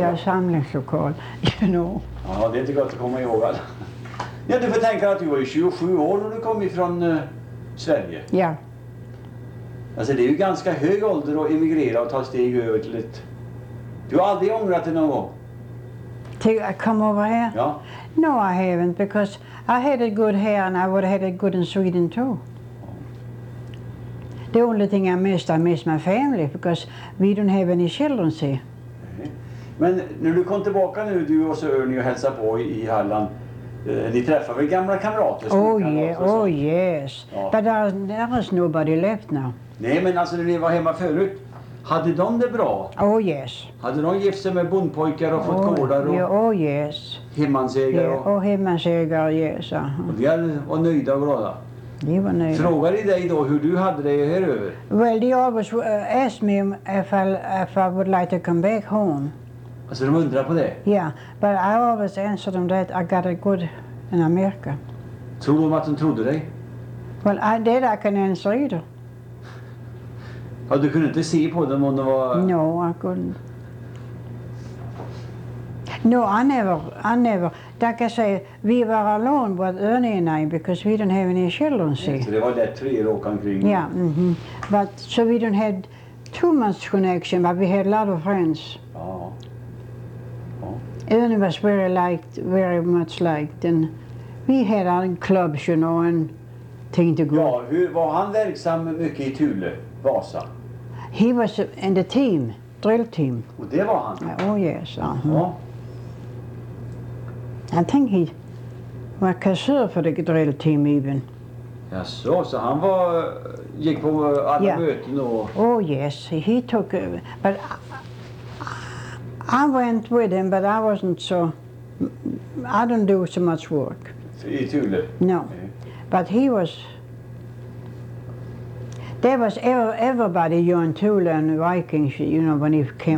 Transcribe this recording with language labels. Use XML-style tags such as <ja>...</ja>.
<sv>Ja, samlingslokal. You know. Ja, det är inte gott att komma ihåg. Ja, du får tänka att du var 27 år när du kom ifrån Sverige. Ja. Alltså det är ju ganska hög ålder att emigrera och ta steg över till ett... Du har aldrig ångrat dig någon gång?</sv> <en>To come over here?</en> <sv>Ja.</sv> <en>No, I haven't, because I had it good here and I would have had it good in Sweden too. The only thing I miss my family, because we don't have any children, see.</en> <sv>Men när du kom tillbaka nu, du och så Örni och hälsade på i Halland, ni träffade väl gamla kamrater?</sv> <en>Oh yes. Ja. But there is nobody left now.</en> <sv>Nej, men alltså när ni var hemma förut, hade de det bra?</sv> <en>Oh yes.</en> <sv>Hade de gift sig med bondpojkar och fått gårdar?</sv> <en>Oh yes.</en> <sv>Hemmansägare?</sv> <en>Yeah, hemmansägare, yes.</en> <sv>Och de var nöjda och glada? De var nöjda. Frågar de dig då hur du hade det här över?</sv> <en>Well, they always asked me if I would like to come back home.</en> <sv>Alltså de undrar på det?</sv> <en>Ja, yeah, but I always answered them that I got it good in America.</en> <sv>Tror de att de trodde dig?</sv> <en>Well, I did, I can answer either.</en> <sv>Ja, du kunde inte se på dem om de var...</sv> <en>No, I couldn't. No, I never. Like I say, we were alone with Ernie and I, because we didn't have any children, see.</en> <sv>Så det var lätt tre år omkring.</sv> <en>Ja, but so we didn't have too much connection, but we had a lot of friends.</en> <sv>Ja.</sv> <en>Ernie was very liked, very much liked, and we had our clubs, you know, and things to go.</en> <sv>Ja, hur var han verksam mycket i Thule, Vasa?</sv> <en>He was in the team, drill team.</en> <sv>Och det var han?</sv> <en>Oh yes.</en> <sv>Uh-huh. Ja.</sv> <en>I think he was kassör for the drill team even.</en> <sv>Ja, så han var gick på alla möten och.</sv> <en>Oh yes, he took, but. I went with him, but I wasn't so, I don't do so much work.</en> <sv>I Thule?</sv> <en>No. Mm. But he was, there was everybody, Jörn Thule and Vikings, you know, when he came.</en>